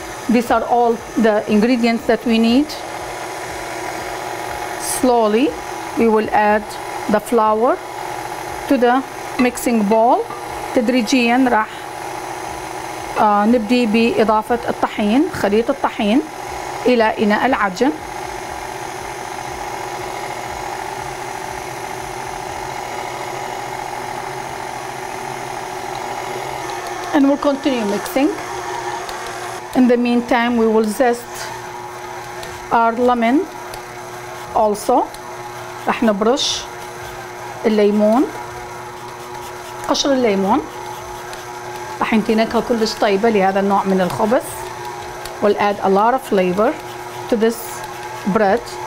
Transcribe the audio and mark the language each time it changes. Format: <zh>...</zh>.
<en>These are all the ingredients that we need. Slowly, we will add the flour to the mixing bowl.</en> <ar>تدريجيا راح نبدي بإضافة الطحين، خليط الطحين إلى إناء العجن.</ar> <en>And we'll continue mixing. In the meantime, we will zest our lemon also.</en> <ar>رح نبرش الليمون، قشر الليمون. رح ينتي نكهة كلش طيبة لهذا النوع من الخبز.</ar> <en>We'll add a lot of flavor to this bread.</en>